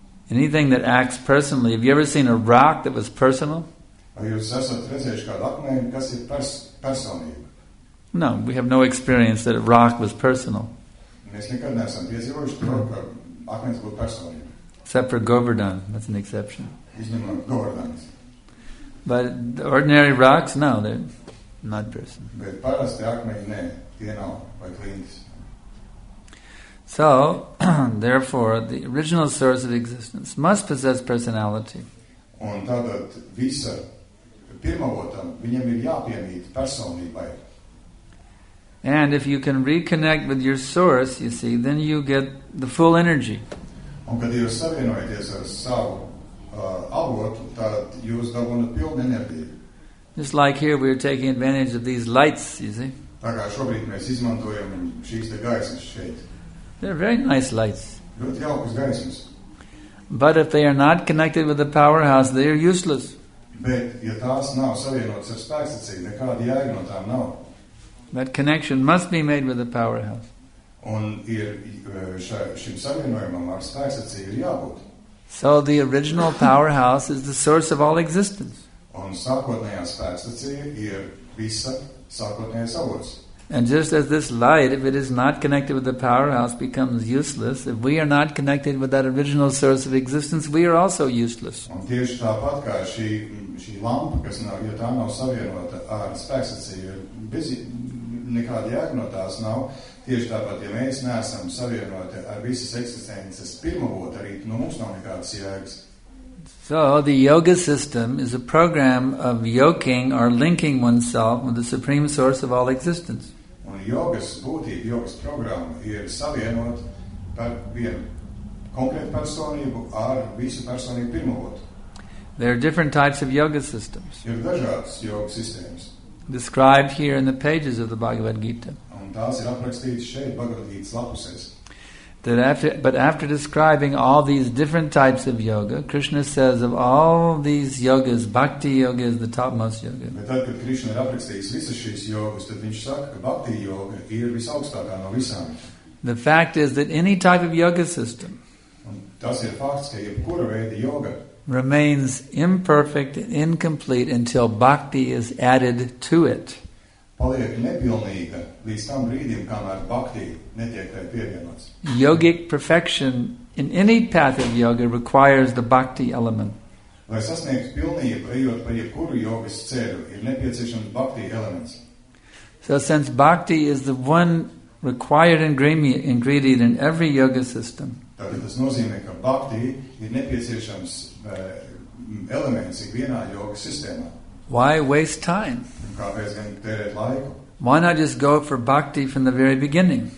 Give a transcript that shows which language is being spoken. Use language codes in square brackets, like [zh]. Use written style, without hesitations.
[en] Anything that acts personally, have you ever seen a rock that was personal? [lv] Vai jūs esat redzējuši kādu akmeni, kas ir personība? [en] No, we have no experience that a rock was personal. [lv] Mēs nekad neesam piedzīvojuši to, ka akmens būtu personība. [en] Except for Govardhan, that's an exception. [lv] Govardhan. [en] But the ordinary rocks, no, they're not person. [lv] Bet parasti akmeņi, ne, tie nav, vai klintis. [en] So, therefore, the original source of existence must possess personality. [lv] Un tātad visa pirmavotam, viņam ir jāpiemīt personībai. [en] And if you can reconnect with your source, you see, then you get the full energy. [lv] Un, kad jūs savienojaties ar savu avotu, tad jūs dabūnat pilnu enerģiju. [en] Just like here, we are taking advantage of these lights, you see. [lv] Tā kā šobrīd mēs izmantojam šīs te gaismas šeit. [en] They're very nice lights. [lv] Ļoti jaukas gaismas. [en] But if they are not connected with the powerhouse, they are useless. [lv] Bet, ja tās nav savienotas ar spēkstacī, nekāda jēga no tām nav. [en] That connection must be made with the powerhouse. [lv] Un ir šim savienojumam ar spēkstacī ir jābūt. [en] So the original powerhouse is the source of all existence. [lv] Un sākotnējā spēkstacī ir visa sākotnējā savots. [en] And just as this light, if it is not connected with the powerhouse, becomes useless, if we are not connected with that original source of existence, we are also useless. [lv] Un tieši tāpat kā šī lampa, kas nav, jo tā nav savienota ar spēkstacī, ir nekāda jēga no tās nav, tieši tāpat, ja mēs neesam savienoti ar visas eksistences pirmavotu, arī no mums nav nekādas jēgas. [en] So, the yoga system is a program of yoking or linking oneself with the supreme source of all existence. [lv] Un jogas būtība, jogas programma ir savienot par vienu konkrētu personību ar visu personību pirmavotu. [en] There are different types of yoga systems. [lv] Ir dažādas yoga sistēmas. [en] Described here in the pages of the Bhagavad Gita. [lv] Un tās ir aprakstītas šeit Bhagavad Gita lapusēs. [en] But after describing all these different types of yoga, Krishna says of all these yogas, bhakti yoga is the topmost yoga. [lv] Bet tad, kad Krishna ir aprakstījis visas šīs jogas, tad viņš saka, ka bhakti yoga ir visaugstākā no visām. [en] The fact is that any type of yoga system, [lv] Tas ir fakts, ka jebkura veida joga [en] remains imperfect and incomplete until bhakti is added to it. [lv] Paliek nepilnīga līdz tam brīdim, kamēr bhakti netiek tai pievienots. [en] Yogic perfection in any path of yoga requires the bhakti element. [lv] Lai sasniegtu pilnību, ejot pa jebkuru jogas ceļu, ir nepieciešams bhakti elements. [en] So since bhakti is the one required ingredient in every yoga system, [lv] tātad tas nozīmē, ka bhakti ir nepieciešams elements ikvienā jogas sistēmā. [en] Why waste time? [lv] Kāpēc gan tērēt laiku? [en] Why not just go for bhakti from the very beginning?